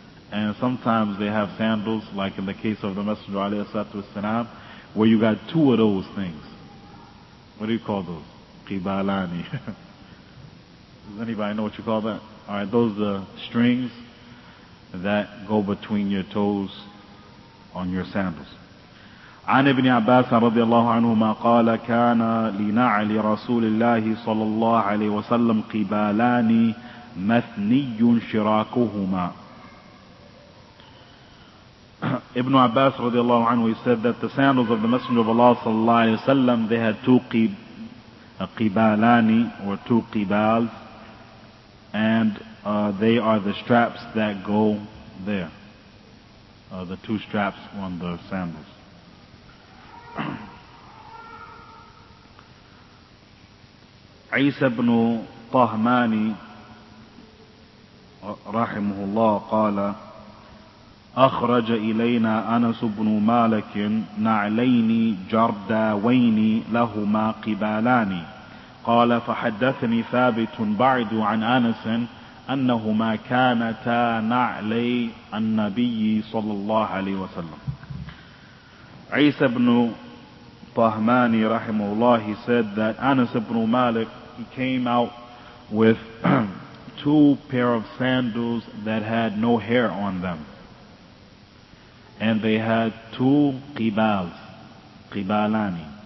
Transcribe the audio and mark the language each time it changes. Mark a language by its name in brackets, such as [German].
[English] And sometimes they have sandals, like in the case of the Messenger alayhi salatu wasalam, where you got two of those things. What do you call those? Qibalani. Does anybody know what you call that? Alright, those are the strings that go between your toes on your sandals. [Arabic] عن ابن عباس رضي الله عنهما قال كان لنعل رسول الله صلى الله عليه وسلم قبالان مثني شراكهما. [English] ابن عباس [Arabic] رضي الله عنه, [English] he said that the sandals of the Messenger of Allah [Arabic] صلى الله عليه وسلم, [English] they had two قبالان or two قبالs, and they are the straps that go there, the two straps on the sandals. [Arabic] عيسى بن طهمان رحمه الله قال أخرج إلينا أنس بن مالك نعلين جرداوين لهما قبالان قال فحدثني ثابت بعد عن أنس أنهما كانتا نعلي النبي صلى الله عليه وسلم. [English] عيسى بن Fahmani rahimahullah, he said that Anas ibn Malik, he came out with two pair of sandals that had no hair on them. And they had two qibals, qibalani.